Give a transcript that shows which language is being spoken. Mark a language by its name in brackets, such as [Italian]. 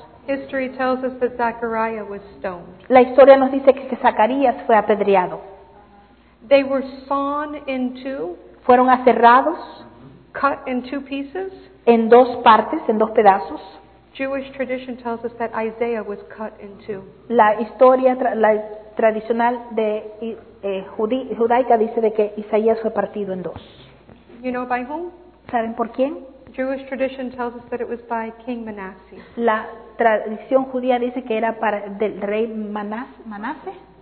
[English] History tells us that Zechariah was stoned. [Spanish] La historia nos dice que Zacarías fue apedreado. [English] They were sawn in two. [Spanish] Fueron aserrados, [English] cut in two pieces, [Spanish] en dos partes, en dos pedazos. [English] Jewish tradition tells us that Isaiah was cut in two. [Spanish] La historia tradicional de judaica dice de que Isaías fue partido en dos. [English] You know by whom? [Spanish] ¿Saben por quién? [English] Jewish tradition tells us that it was by King Manasseh. [Spanish] La tradición judía dice que era para del rey Manasés.